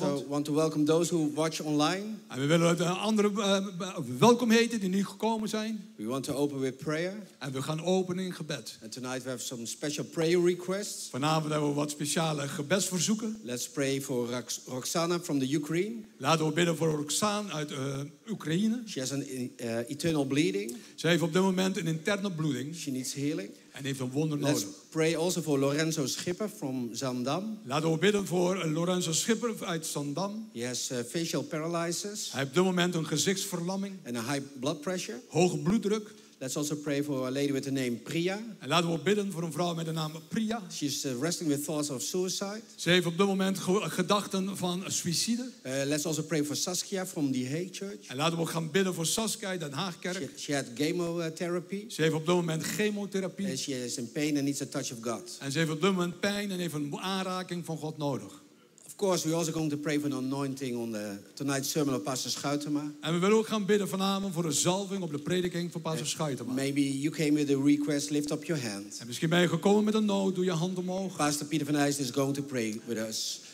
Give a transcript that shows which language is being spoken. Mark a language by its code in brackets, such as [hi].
[en] We also want to welcome those who watch online. [nl] En we willen de andere welkom heten die nu gekomen zijn. [en] We want to open with prayer. [nl] En we gaan openen in gebed. [en] And tonight we have some special prayer requests. [nl] Vanavond hebben we wat speciale gebedsverzoeken. [en] Let's pray for Roxana from the Ukraine. [nl] Laten we bidden voor Roxana uit Oekraïne. [en] She has an eternal bleeding. [nl] Ze heeft op dit moment een interne bloeding. [en] She needs healing. [nl] En heeft een wonder [en] Let's [nl] nodig. [en] Pray also for Lorenzo Schipper from Zaandam. [nl] Laten we bidden voor Lorenzo Schipper uit Zaandam. [en] He has facial paralysis. [nl] Hij heeft op dit moment een gezichtsverlamming. [en] And a high blood pressure. [nl] Hoge bloeddruk. [en] Let's also pray for a lady with the name Priya. [nl] En laten we bidden voor een vrouw met de naam Priya. [en] She's wrestling with thoughts of suicide. [nl] Ze heeft op dit moment gedachten van suïcide. [en] Let's also pray for Saskia from the Hague Church. [nl] En laten we gaan bidden voor Saskia uit Den Haagkerk. [en] She had chemotherapy. [nl] Ze heeft op dit moment chemotherapie. [en] And she is in pain and needs a touch of God. [nl] En ze heeft op dit moment pijn en heeft een aanraking van God nodig. [en] Of course, we're also going to pray for an anointing on the tonight's sermon of Pastor Schuitema. [nl] En we willen ook gaan bidden vanavond voor een zalving op de prediking van Pastor Schuitema. [en] Maybe you came with a request, lift up your hand. [nl] En misschien ben je gekomen met een nood, doe je hand omhoog. [en] Pastor Peter van Eijs is going to pray with us.